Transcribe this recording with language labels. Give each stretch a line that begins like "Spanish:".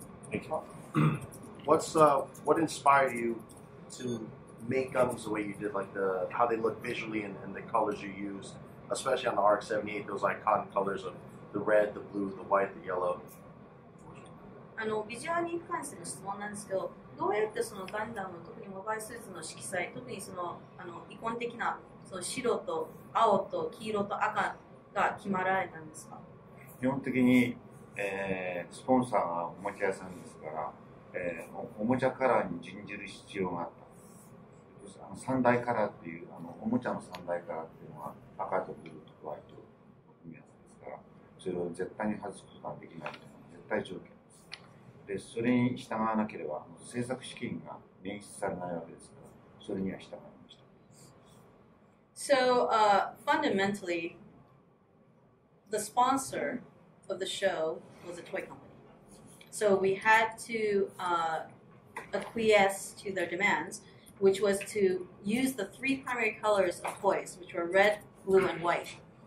English: Thank you. What's, what inspired you to make Gundams the way you did, like the how they look visually and the colors you used, especially on the ARC 78, those iconic colors of the red, the blue, the white, the yellow?
Japanese: ビジュアルに関しての質問なんですけど、どうやってそのガンダム、特にモバイルスーツの色彩、特にその、イコン的なその白と青と黄色と赤が決まられたんですか？基本的に、スポンサーがおもちゃ屋さんですから、おもちゃカラーに準じる必要があった。三大カラーっていう、おもちゃの三大カラーっていうのは赤とブルーとホワイトの組み合わせですから、それを絶対に外すことができないというのは絶対条件。でそれに従わなければ制作資金が捻出されないわけですから、それには従いました。
English: So, fundamentally, the sponsor of the show was a toy company. So we had to acquiesce to their demands, which was to use the three primary colors of toys, which were red, blue, and white.